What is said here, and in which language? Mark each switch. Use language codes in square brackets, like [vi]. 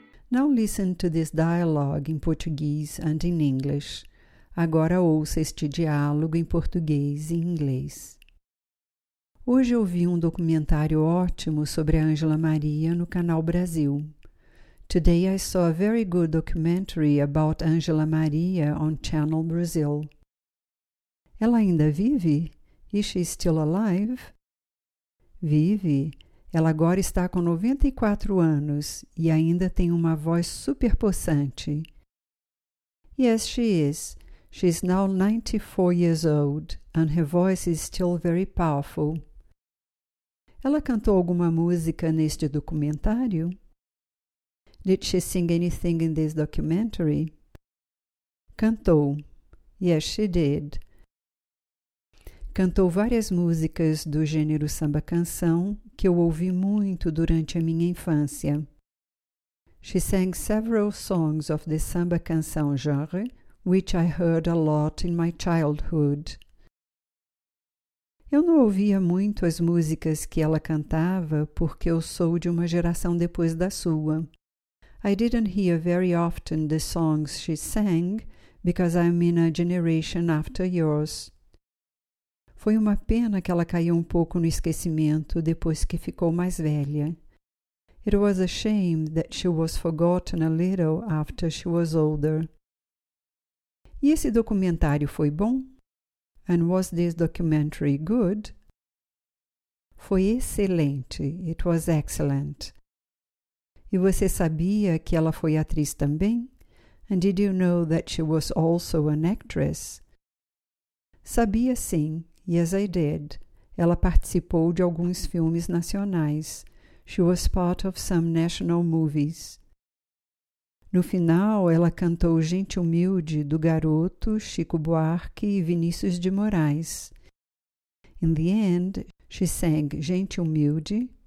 [en] Now listen to this dialogue in Portuguese and in English. [pt] Agora ouça este diálogo em português e inglês. Hoje eu vi um documentário ótimo sobre a Angela Maria no Canal Brasil. [en] Today I saw a very good documentary about Angela Maria on Channel Brazil. [pt] Ela ainda vive? [en] Is she still alive? [pt] Vive. Ela agora está com 94 anos e ainda tem uma voz super possante. [en] Yes, she is. She is now 94 years old and her voice is still very powerful. [pt] Ela cantou alguma música neste documentário? [en] Did she sing anything in this documentary? [pt] Cantou. [en] Yes, she did. [pt] Cantou várias músicas do gênero samba-canção que eu ouvi muito durante a minha infância. [en] She sang several songs of the samba-canção genre, which I heard a lot in my childhood. [pt] Eu não ouvia muito as músicas que ela cantava porque eu sou de uma geração depois da sua. [en] I didn't hear very often the songs she sang because I'm in a generation after yours. [pt] Foi uma pena que ela caiu um pouco no esquecimento depois que ficou mais velha. [en] It was a shame that she was forgotten a little after she was older. [pt] E esse documentário foi bom? [en] And was this documentary good? [pt] Foi excelente. [en] It was excellent. [pt] E você sabia que ela foi atriz também? [en] And did you know that she was also an actress? [pt] Sabia sim. [en] Yes, I did. [pt] Ela participou de alguns filmes nacionais. [en] She was part of some national movies. [pt] No final, ela cantou [en] Gente Humilde, do Garoto, Chico Buarque e Vinícius de Moraes. In the end, she sang Gente Humilde,